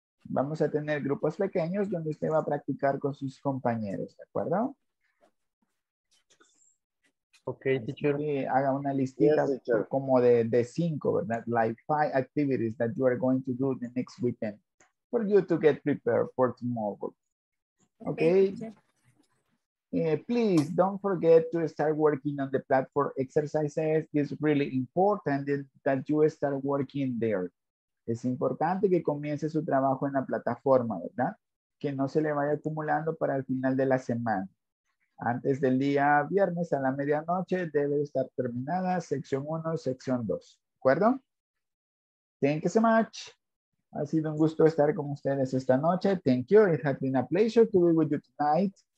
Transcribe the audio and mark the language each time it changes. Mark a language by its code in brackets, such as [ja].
[es] Vamos a tener grupos pequeños donde usted va a practicar con sus compañeros, ¿de acuerdo? [en] Okay, teacher. [es] Sí, haga una listita como de cinco, ¿verdad? [en] Like five activities that you are going to do the next weekend for you to get prepared for tomorrow. Okay. Please don't forget to start working on the platform exercises. It's really important that you start working there. [es] Es importante que comience su trabajo en la plataforma, ¿verdad? Que no se le vaya acumulando para el final de la semana. Antes del día viernes a la medianoche debe estar terminada sección 1, sección 2. ¿De acuerdo? Thank you so much. Ha sido un gusto estar con ustedes esta noche. [en] Thank you. It has been a pleasure to be with you tonight.